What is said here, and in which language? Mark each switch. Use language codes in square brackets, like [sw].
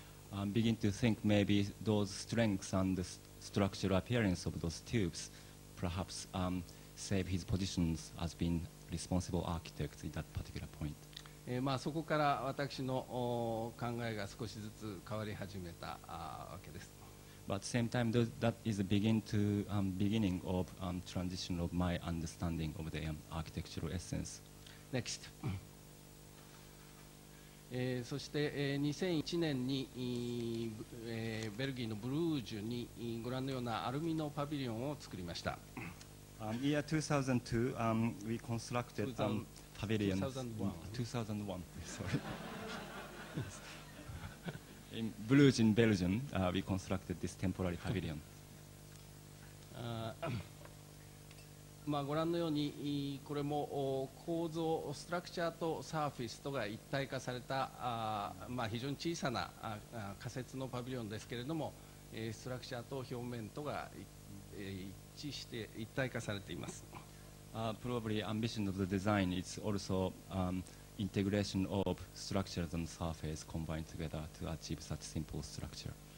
[en] I'm beginning to think maybe those strengths and the structural appearance of those tubes perhaps save his positions as being responsible architect in that particular point. [ja] まあ、そこから私の考えが少しずつ変わり始めたわけです。 [en] But at the same time, that is the beginning of transition of my understanding of the architectural essence. Next. [ja] そして2001年にベルギーのブルージュにご覧のようなアルミのパビリオンを作りました。 [en] Year 2002, we constructed pavilions. 2001. Sorry. In Bruges, in Belgium, we constructed this temporary pavilion. [ja] まあ、ご覧のようにこれも構造ストラクチャーとサーフィスとが一体化されたまあ非常に小さな仮設のパビリオンですけれどもストラクチャーと表面とが一致して一体化されています。 [en] Probably ambition of the design is also integration of structures and surface combined together to achieve such simple structure.